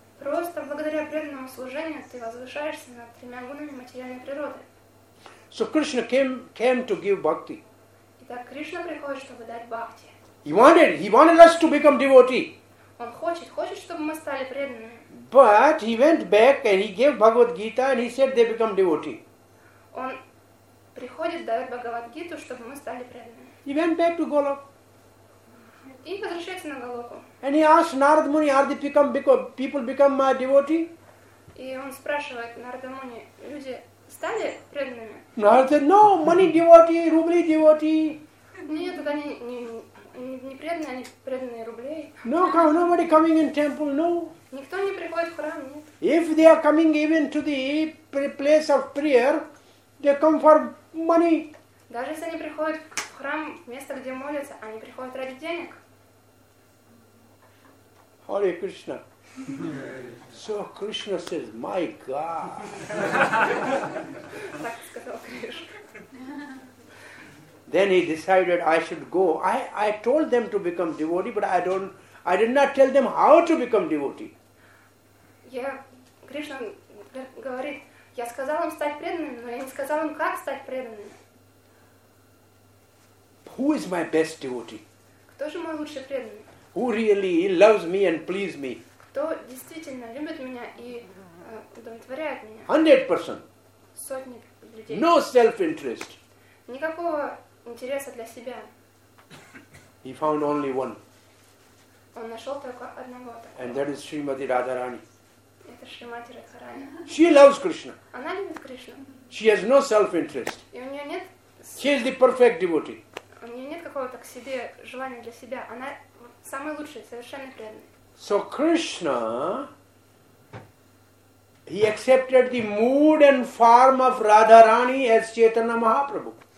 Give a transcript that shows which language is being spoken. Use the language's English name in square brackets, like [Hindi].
[Russian] Просто благодаря преданному служению ты возвышаешься над тремя гунами материальной природы. [English] So Krishna came to give bhakti. [Russian] Итак, Кришна приходит, чтобы дать бхакти. [English] He wanted us to become devotee. [Russian] Он хочет, чтобы мы стали преданными. [English] But he went back and he gave Bhagavad Gita and he said they become devotee. [Russian] Он приходит, дает Бхагавад Гиту, чтобы мы стали преданными. [English] He went back to Golok. [Russian] И возвращается на Голоку. [English] And he asked Narad Muni, people become my devotee? [Russian] И он спрашивает Нарада Муни, люди стали преданными? [English] Narad said, no, money devotee, rubli devotee. [Russian] Нет, это не преданные, они преданные рублей. [English] No, nobody coming in temple, no. [Russian] Никто не приходит в храм, нет. [English] If they are coming even to the place of prayer, they come for money. [Russian] Даже если они приходят в храм, место, где молятся, они приходят ради денег. [English] Hare Krishna. So Krishna says, my God. [Russian] Так сказал Кришна. [English] Then he decided I should go. I told them to become devotee, but I did not tell them how to become devotee. [Russian] Кришна говорит, я сказал им стать преданными, но я не сказал им, как стать преданными. [English] Who is my best devotee? [Russian] Кто же мой лучший преданный? [English] Who really loves me and pleases me? [Russian] Кто действительно любит меня и удовлетворяет меня? [English] 100%. [Russian] Сотни людей. [English] No self-interest. [Russian] Никакого интереса для себя. [English] He found only one. [Russian] Он нашел только одного. [English] And that is Srimati Radharani. [Russian] Это Шримати Радхарани. [English] She loves Krishna. [Russian] Она любит Кришну. [English] She has no self-interest. [Russian] И у нее нет. [English] She is the perfect devotee. [Russian] У нее нет какого-то к себе желания для себя. Она самый лучший, совершенно преданный. [English] So Krishna, he accepted the mood and form of Radharani as Chaitanya Mahaprabhu.